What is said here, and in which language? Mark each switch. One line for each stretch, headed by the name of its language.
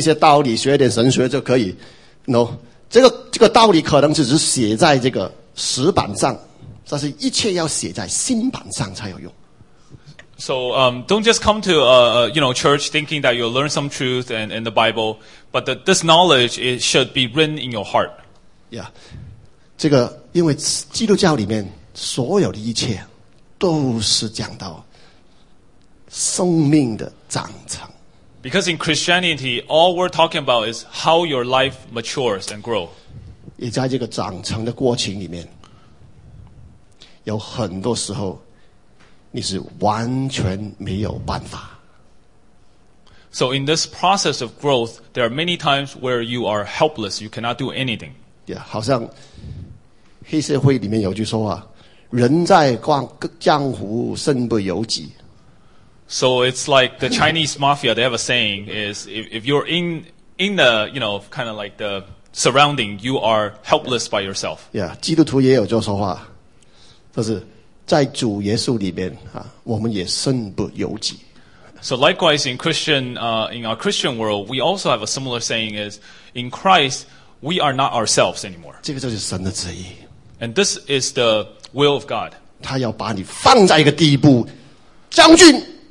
Chinese: 不要以为我们在基督教里面听一些道理，学点神学就可以。No, 这个道理可能只是写在这个石板上，但是一切要写在心板上才有用。
English: So don't just come to church thinking that you'll learn some truth and in the Bible, but this knowledge it should be written in your heart.
Chinese: Yeah, 这个因为基督教里面所有的一切都是讲到。生命的长成
English: Because in Christianity, all we're talking about is how your life matures and grow.
Chinese: 也在这个长成的过程里面 有很多时候 你是完全没有办法
English: So in this process of growth, there are many times where you are helpless, you cannot do anything.
Chinese: Yeah, 好像黑社会里面有句说话 人在江湖身不由己
English: So it's like the Chinese mafia, they have a saying is if you're in the, you know, kind of like the surrounding, you are helpless by yourself.
Chinese: Yeah, 基督徒也有这说话,就是在主耶稣里面,我们也身不由己。
English: So likewise in Christian, in our Christian world, we also have a similar saying is in Christ, we are not ourselves anymore.
Chinese: 这个就是神的旨意。
English: And this is the will of God.
Chinese: 他要把你放在一个地步,将军!